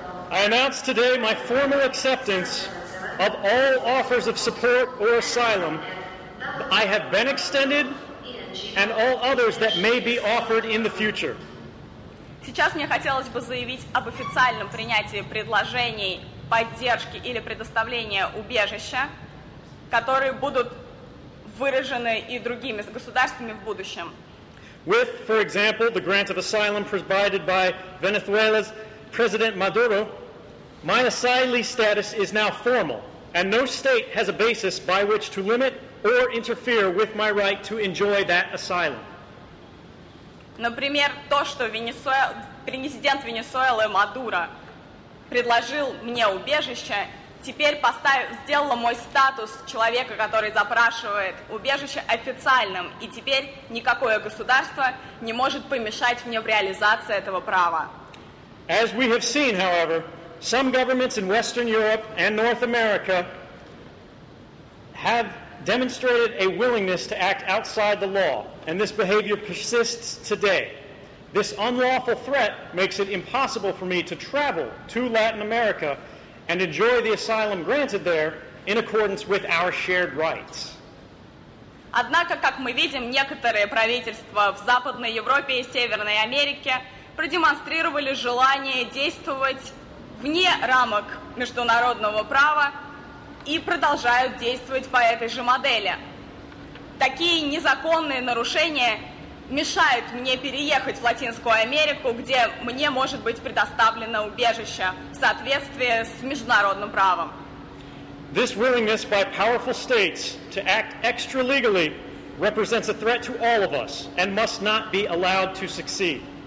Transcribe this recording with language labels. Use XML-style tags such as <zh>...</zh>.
<en>I announce today my formal acceptance of all offers of support or asylum I have been extended and all others that may be offered in the future.</en> <ru>Сейчас мне хотелось бы заявить об официальном принятии предложений поддержки или предоставления убежища, которые будут выражены и другими государствами в будущем.</ru> <en>With, for example, the grant of asylum provided by Venezuela's President Maduro, my asylee status is now formal, and no state has a basis by which to limit or interfere with my right to enjoy that asylum.</en> <ru>Например, то, что президент Венесуэлы Мадуро предложил мне убежище, теперь сделало мой статус человека, который запрашивает убежище, официальным, и теперь никакое государство не может помешать мне в реализации этого права.</ru> <en>As we have seen, however, some governments in Western Europe and North America have demonstrated a willingness to act outside the law, and this behavior persists today. This unlawful threat makes it impossible for me to travel to Latin America and enjoy the asylum granted there in accordance with our shared rights.</en> <ru>Однако, как мы видим, некоторые правительства в Западной Европе и Северной Америке продемонстрировали желание действовать вне рамок международного права и продолжают действовать по этой же модели. Такие незаконные нарушения мешают мне переехать в Латинскую Америку, где мне может быть предоставлено убежище в соответствии с международным правом.</ru> <en>This willingness by powerful states to act extra legally represents a threat to all of us and must not be allowed to succeed.</en>